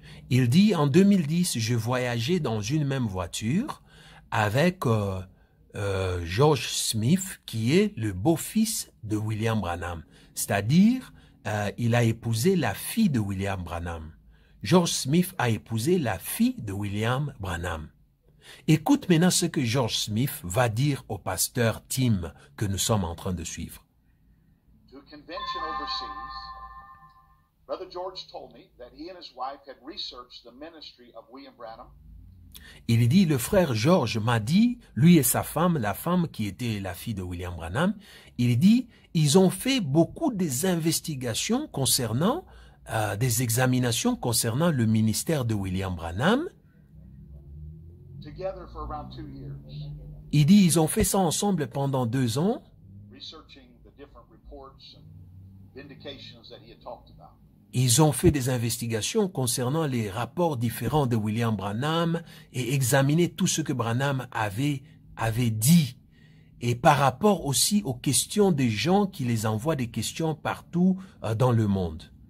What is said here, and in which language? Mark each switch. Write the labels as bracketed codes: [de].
[fr] Il dit, en 2010, je voyageais dans une même voiture avec George Smith, qui est le beau-fils de William Branham. C'est-à-dire, il a épousé la fille de William Branham. George Smith a épousé la fille de William Branham. Écoute maintenant ce que George Smith va dire au pasteur Tim que nous sommes en train de suivre. [en] To a convention overseas, Brother George told me that he and his wife had researched the ministry of William Branham. [fr] Il dit, le frère George m'a dit, lui et sa femme, la femme qui était la fille de William Branham, il dit, ils ont fait beaucoup des investigations concernant, des examinations concernant le ministère de William Branham. [en] Together for around 2 years. [fr] Il dit, ils ont fait ça ensemble pendant 2 ans. [en] Researching the different reports and vindications that he had talked about. [fr] Ils ont fait des investigations concernant les rapports différents de William Branham et examiné tout ce que Branham avait dit. Et par rapport aussi aux questions des gens qui les envoient des questions partout dans le monde.